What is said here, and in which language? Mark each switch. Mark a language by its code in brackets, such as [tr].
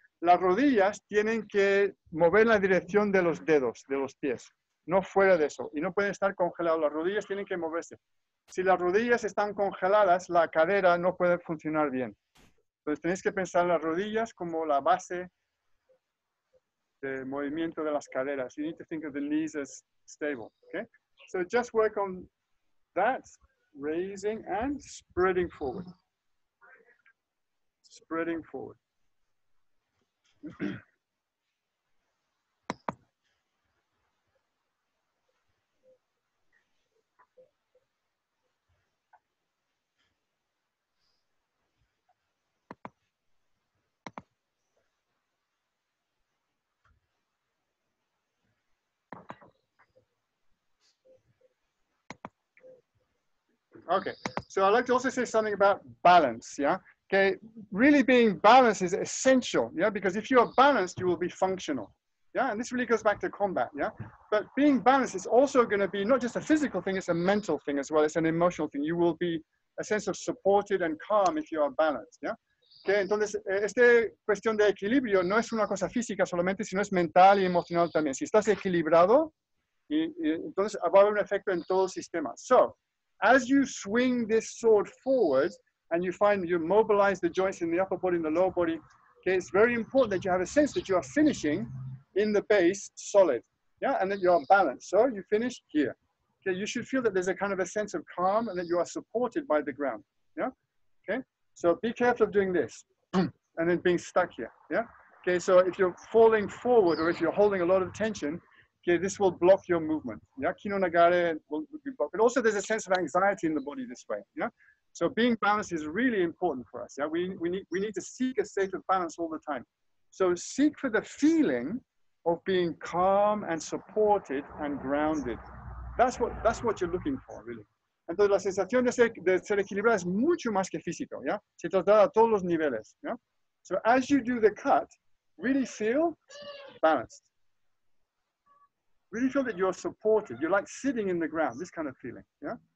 [es] Las rodillas tienen que mover la dirección de los dedos, de los pies. No fuera de eso. Y no pueden estar congelados. Las rodillas tienen que moverse. Si las rodillas están congeladas, la cadera no puede funcionar bien. Entonces tenéis que pensar las rodillas como la base de movimiento de las caderas. [en] You need to think of the knees as stable, okay? So just work on that, raising and spreading forward. Spreading forward. Okay, so I'd like to also say something about balance, yeah? Okay, really being balanced is essential, yeah? Because if you are balanced, you will be functional, yeah? And this really goes back to combat, yeah? But being balanced is also gonna be not just a physical thing, it's a mental thing as well, it's an emotional thing. You will be a sense of supported and calm if you are balanced, yeah? [es] Okay, entonces, esta cuestión de equilibrio no es una cosa física solamente, sino es mental y emocional también. Si estás equilibrado, entonces va a haber un efecto en todo el sistema. [en] So, as you swing this sword forward and you find you mobilize the joints in the upper body and the lower body, okay, it's very important that you have a sense that you are finishing in the base solid, yeah, and that you are balanced. So you finish here. Okay, you should feel that there's a kind of a sense of calm and that you are supported by the ground, yeah, okay? So be careful of doing this and then being stuck here, yeah? Okay, so if you're falling forward or if you're holding a lot of tension, okay, this will block your movement. Yeah, kino nagare will be blocked. But also there's a sense of anxiety in the body this way, yeah? So being balanced is really important for us, yeah? We need to seek a state of balance all the time. So seek for the feeling of being calm and supported and grounded. That's what you're looking for, really. [es] Entonces la sensación de ser equilibrado es mucho más que físico, yeah? Se trata a todos los niveles, yeah? [en] So as you do the cut, really feel balanced. Really feel that you're supported. You're like sitting in the ground, this kind of feeling, yeah?